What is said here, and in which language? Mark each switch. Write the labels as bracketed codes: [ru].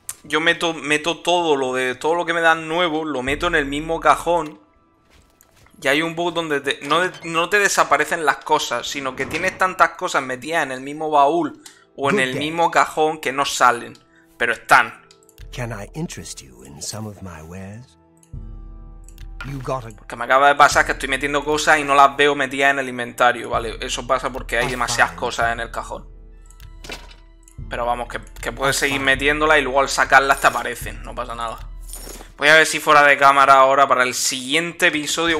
[es] Yo meto todo lo de todo lo que me dan nuevo, lo meto en el mismo cajón. Y hay un bug donde no te desaparecen las cosas, sino que tienes tantas cosas metidas en el mismo baúl o en el mismo cajón que no salen, pero están. [en] Can I interest you in some of my wares? You got a... [es] Porque me acaba de pasar que estoy metiendo cosas y no las veo metidas en el inventario, ¿vale? Eso pasa porque hay demasiadas cosas en el cajón. Pero vamos, que puedes seguir metiéndolas y luego al sacarlas te aparecen, no pasa nada. Voy a ver si fuera de cámara ahora para el siguiente episodio.